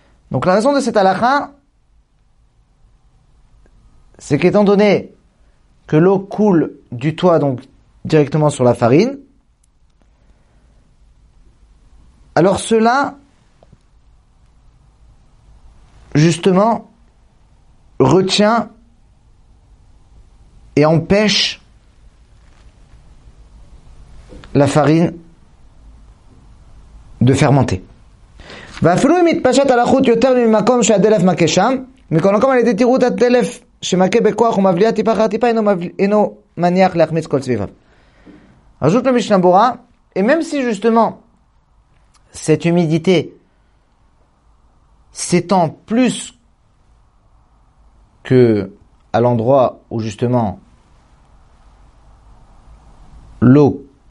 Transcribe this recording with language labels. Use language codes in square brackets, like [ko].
[fr] Donc la raison de cette halakha, c'est qu'étant donné que l'eau coule du toit, donc directement sur la farine, alors cela, justement, retient et empêche la farine de fermenter. [he] ואפילו אם התפשט על החוט יותר ממקום שהדלף מכה שם, מכל מקום על ידי תראות הדלף שמכה בכוח ומבליעה טיפה אחר טיפה, אינו מניח להחמיץ כל סביביו. [fr] Ajoute le Mishnah Berurah, et même si justement cette humidité s'étend plus que à l'endroit où justement l'eau